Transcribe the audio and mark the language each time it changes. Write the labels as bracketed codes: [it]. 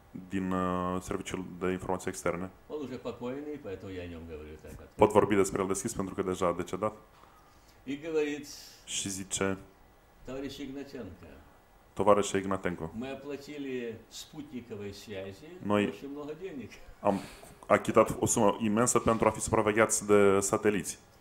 [ro] Din serviciul de informații externe. [ru] Он уже покойный, поэтому я о нем говорю так. [ro] Pot vorbi despre el deschis, pentru că deja a decedat. [ru] И говорит. [ro] Și zice. [ru] Товарищ Игнатенко. Товарищ Игнатенко. Мы оплатили спутниковые связи. [ro] Noi [ru] очень много денег. [ro] Am achitat o sumă imensă pentru a fi supravegheați de sateliți.